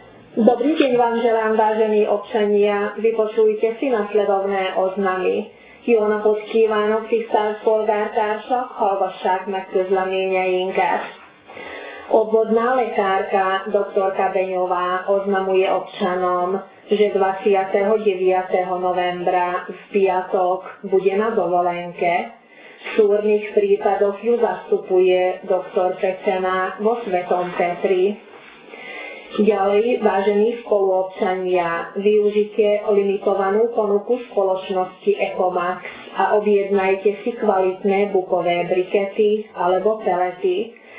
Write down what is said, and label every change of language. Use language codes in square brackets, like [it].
[sk] Dobrý deň vám želám, vážení občania. Vypočujte si nasledovné oznamy. [hu] Jóna pod kívánok tisztelt polgártársak, hallgassák meg közleményeinket. [sk] Obvodná lekárka dr. Kabeňová oznamuje občanom, že 29. novembra v piatok bude na dovolenke. V súrnych prípadoch ju zastupuje dr. Pecená vo Svetom Petri. Ďalej, vážení spoluobčania, využite limitovanú ponuku spoločnosti Ecomax a objednajte si kvalitné bukové brikety alebo pelety.